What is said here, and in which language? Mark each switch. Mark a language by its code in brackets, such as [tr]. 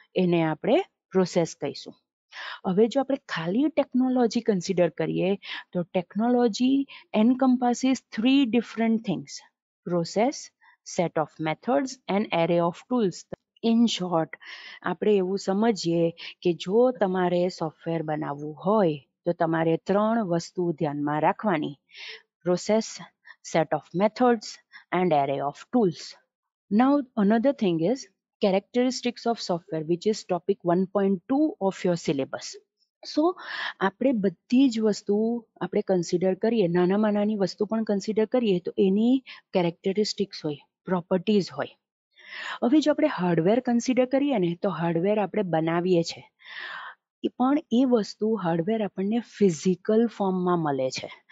[gu] એને આપણે પ્રોસેસ કહીશું. હવે જો આપણે ખાલી ટેકનોલોજી કન્સિડર કરીએ તો technology એન્કમ્પાસિસ three different things: process, [en] Set of methods and array of tools. [gu] In short, આપણે એવું સમજીએ કે જો તમારે સોફ્ટવેર બનાવવું હોય તો તમારે ત્રણ વસ્તુ ધ્યાનમાં રાખવાની: process, [en] Set of methods and array of tools. Now another thing is characteristics of software, which is topic 1.2 of your syllabus. [gu] So, આપણે બધી જ વસ્તુ આપણે કન્સિડર કરીએ, નાનામાં નાની વસ્તુ પણ કન્સિડર કરીએ, તો એની કેરેક્ટરિસ્ટિક્સ હોય, પ્રોપર્ટીઝ હોય. હવે જો આપણે હાર્ડવેર કન્સિડર કરીએ ને, તો હાર્ડવેર આપણે બનાવીએ છીએ, પણ એ વસ્તુ હાર્ડવેર આપણને ફિઝિકલ ફોર્મમાં મળે છે.